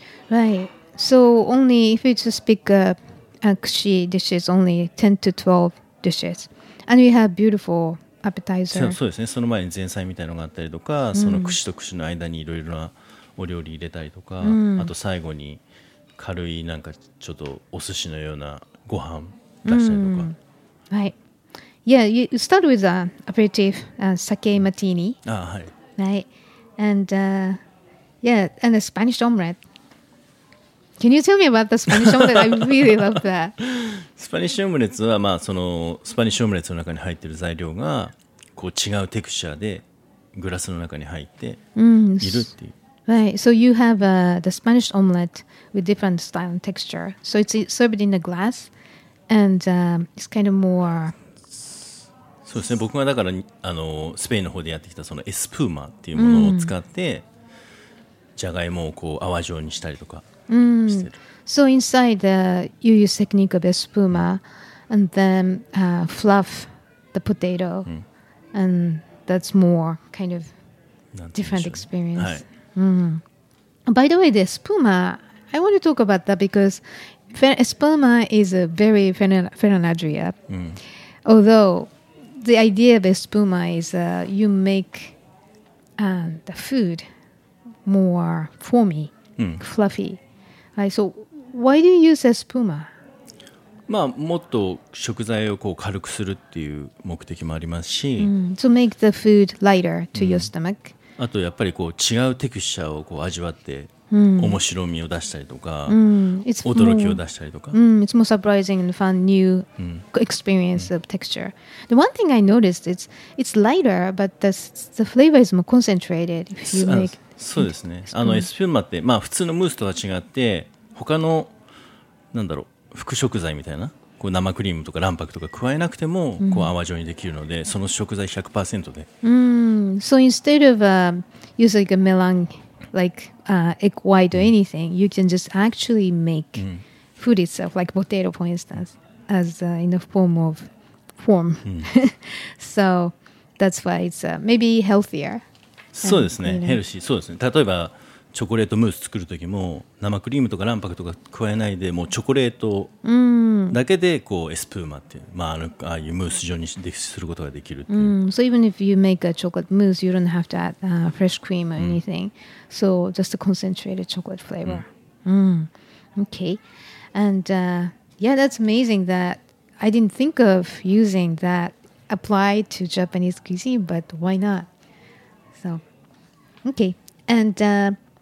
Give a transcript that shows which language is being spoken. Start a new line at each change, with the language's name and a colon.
English: Right. So only if you just pick up串 dishes, only 10 to 12 dishes. And you have beautiful appetizer.
Japanese: そうですね。その前に前菜みたいのがあったりとか、その串と串の間にいろいろなお料理入れたりとか、あと最後に軽いなんかちょっとお寿司のようなご飯出したりとか。
English: Right. Yeah, you start with an aperitif, sake martini.
Japanese: Ah, はい。
English: Right. And and a Spanish omelette. Can you tell me about the Spanish omelette? I really love that.
Japanese: Spanish omelette はまあそのスパニッシュオムレツの中に入っている材料がこう違うテクスチャーでグラスの中に入っているっていう。
English: Right, so you have the Spanish omelette with different style and texture. So it's served in a glass, and it's kind of more.
Japanese: そうですね。僕がだからあのスペインの方でやってきたそのエスプーマっていうものを使って、じゃがいもをこう泡状にしたりとかしてる。
English: So inside, you use technique of espuma, and then fluff the potato, and that's more kind of different experience.
Japanese: はい。
English: By the way, the espuma, I want to talk about that because espuma is a very Ferranadria. Although the idea of espuma is you make the food more foamy, fluffy. Right, so Why do you use espuma?
Japanese: まあ、もっと食材をこう軽くするっていう目的もありますし、
English: To make the food lighter to your stomach.
Japanese: あとやっぱりこう違うテクスチャーをこう味わって、面白みを出したりとか、驚きを出したりとか、
English: It's more surprising and fun new experience of texture. The one thing I noticed is it's lighter, but the flavor is more concentrated if you make.
Japanese: そうですね。あのエスプーマって、まあ、普通のムースとは違って、他のなんだろう。副食材みたいなこう生クリームとか卵白とか加えなくてもこう泡状にできるので、その食材 100% で。
English: So instead of use like a melon, like egg white or anything, you can just actually make food itself, like potato for instance, as in the form of form. So that's why it's maybe healthier.
Japanese: そうですね、ヘルシー。そうですね。例えばチョコレートムース作るときも生クリームとか卵白とか加えないでもうチョコレートだけでこうエスプーマっていう、まあ、ああいうムース状にすることができるっていう、
English: So even if you make a chocolate mousse you don't have to add fresh cream or anything、So just a concentrated chocolate flavor、Okay And yeah that's amazing that I didn't think of using that apply to Japanese cuisine but why not So Okay And